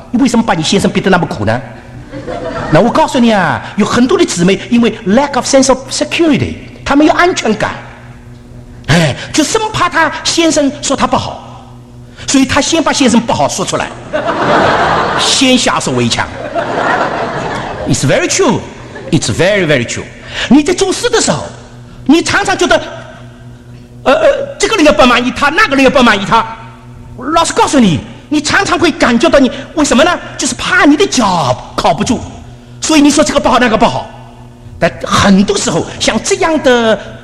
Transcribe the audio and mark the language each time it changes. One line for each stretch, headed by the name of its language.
Chinese: 你为什么把你先生逼得那么苦呢？那我告诉你啊，有很多的姊妹因为
English: lack of sense of security，
Chinese: 他没有安全感。哎，就生怕他先生说他不好，所以他先把先生不好说出来，先下手为强。
English: It's very true, it's very very true。
Chinese: 你在做事的时候，你常常觉得，这个人也不满意他，那个人也不满意他。老实告诉你，你常常会感觉到你为什么呢？就是怕你的脚靠不住，所以你说这个不好那个不好。但很多时候像这样的。